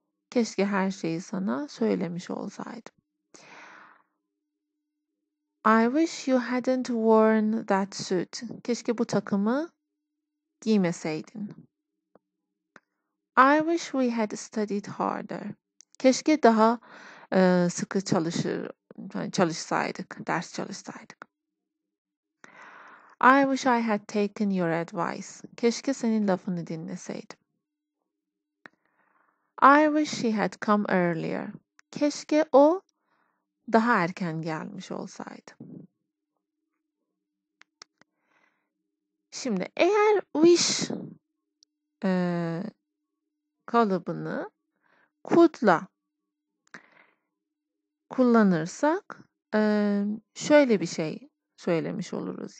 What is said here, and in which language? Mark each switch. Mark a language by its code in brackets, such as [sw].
[tr] Keşke her şeyi sana söylemiş olsaydım. [en] I wish you hadn't worn that suit. [tr] Keşke bu takımı giymeseydin. [en] I wish we had studied harder. [tr] Keşke daha sıkı çalışsaydık, ders çalışsaydık. [en] I wish I had taken your advice. [tr] Keşke senin lafını dinleseydim. [en] I wish she had come earlier. [tr] Keşke o daha erken gelmiş olsaydı. Şimdi eğer wish kalıbını could'la kullanırsak şöyle bir şey söylemiş oluruz.